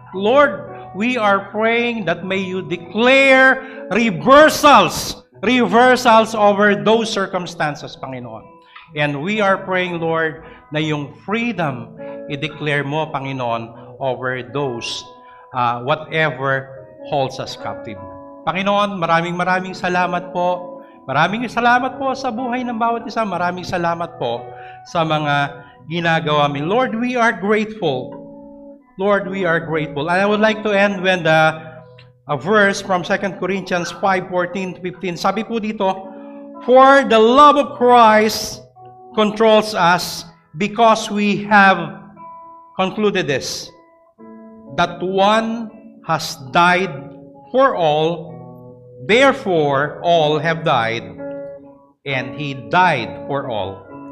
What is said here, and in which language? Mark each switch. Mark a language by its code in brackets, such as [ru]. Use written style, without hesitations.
[en] Lord, we are praying that may you declare reversals over those circumstances, Panginoon. And we are praying, Lord, [tl] na yung freedom i-declare mo, [en] Panginoon, over those whatever holds us captive. [tl] Panginoon, maraming maraming salamat po. Maraming salamat po sa buhay ng bawat isa. Maraming salamat po sa mga ginagawa mo. [en] Lord, we are grateful. Lord, we are grateful. And I would like to end with a verse from 2 Corinthians 5:14 to 15. [tl] Sabi po dito, [en] for the love of Christ controls us, because we have concluded this, that one has died for all, therefore all have died, and he died for all.